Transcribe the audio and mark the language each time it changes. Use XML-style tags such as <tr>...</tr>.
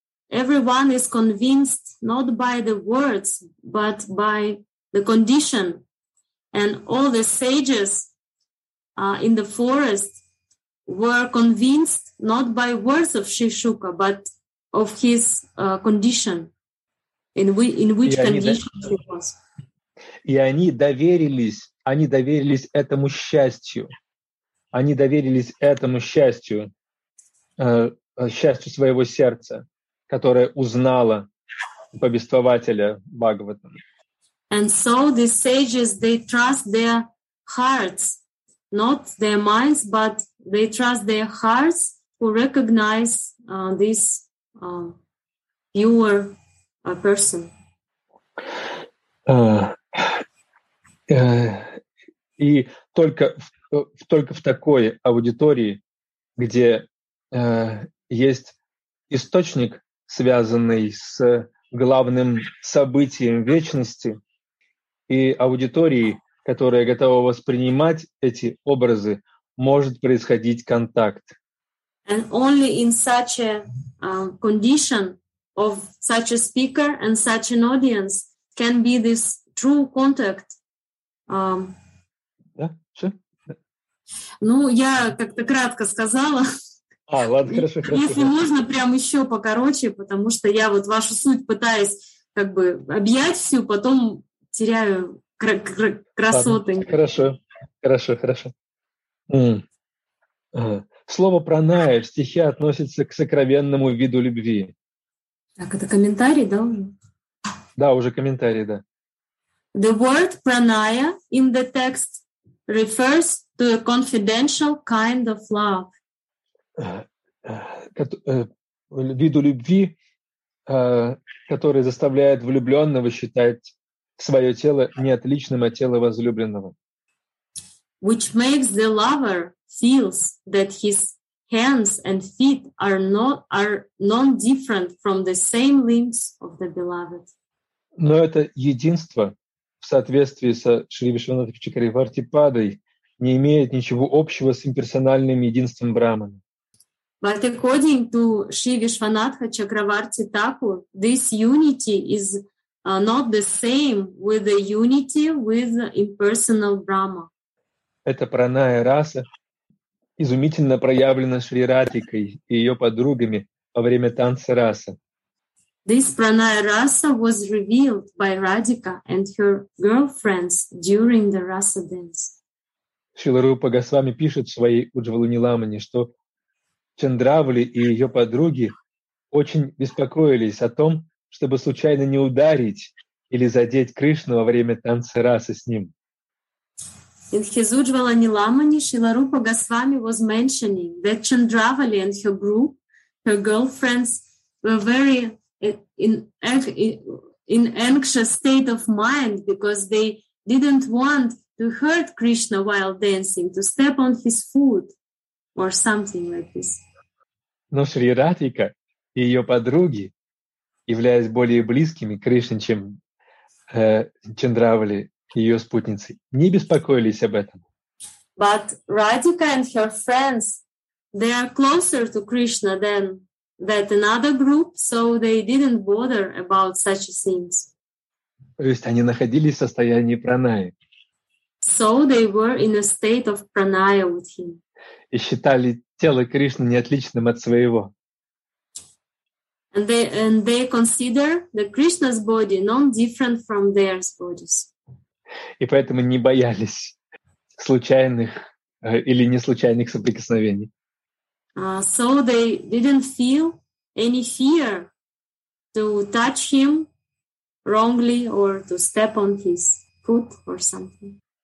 <en>Everyone is convinced not by the words, but by the condition. And all the sages in the forest were convinced not by words of Shishuka, but of his condition, in which condition he was.</en> <ru>И они доверились этому счастью. Они доверились этому счастью, счастью своего сердца, которая узнала повествователя Бхагаватам.</ru> <en>And so the sages, they trust their hearts, not their minds, but they trust their hearts who recognize this pure person.</en> <ru>И только в такой аудитории, где есть источник, связанный с главным событием вечности и аудиторией, которая готова воспринимать эти образы, может происходить контакт.</ru> <en>And only in such a condition of such a speaker and such an audience can be this true contact.</en> <ru>Да, все. Ну, я как-то кратко сказала. А, ладно, хорошо, хорошо. Если можно, прям еще покороче, потому что я вот вашу суть пытаюсь как бы объять всю, потом теряю красоты. Ладно, хорошо, хорошо, хорошо. Слово праная в стихе относится к сокровенному виду любви. Так, это комментарий, да, уже? Да, уже комментарий, да.</ru> <en>The word pranaya in the text refers to a confidential kind of love.</en> <ru>Виду любви, который заставляет влюбленного считать свое тело неотличным от тела возлюбленного.</ru> <en>Which makes the lover feels that his hands and feet are non-different from the same limbs of the beloved.</en> <ru>Но это единство в соответствии со Шри Вишванатха Чакраварти Падой не имеет ничего общего с имперсональным единством Брахмана.</ru> <en>But according to Shri Vishwanatha Chakravarti Thakur, this unity is not the same with the unity with impersonal Brahma.</en> <ru>Эта праная раса изумительно проявлена Шри Радхикой и ее подругами во время танца раса.</ru> <en>This pranaya rasa was revealed by Radhika and her girlfriends during the rasa dance.</en> <ru>Шрила Рупа Госвами пишет в своей Уджвалунилламане, что Чандравали и ее подруги очень беспокоились о том, чтобы случайно не ударить или задеть Кришну во время танца расы с ним.</ru> <en>In his Уджвалунилламане Шрила Рупа Госвами was mentioning that Chandravali and her group, her girlfriends, were very in anxious state of mind because they didn't want to hurt Krishna while dancing, to step on his foot or something like this.</en> <ru>Но Шри Радхика и ее подруги, являясь более близкими Кришне, чем Чандравали и ее спутницы, не беспокоились об этом.</ru> <en>But Radhika and her friends, they are closer to Krishna than that another group, so they didn't bother about such things.</en> <ru>То есть они находились в состоянии праная.</ru> <en>So they were in a state of pranaya with him.</en> <ru>И считали тело Кришны неотличным от своего.</ru> <en>And they consider the Krishna's body non-different from their bodies.</en> <ru>И поэтому не боялись случайных или неслучайных соприкосновений.</ru> <en>So they didn't feel any fear to touch him wrongly or to step on his foot or something.</en>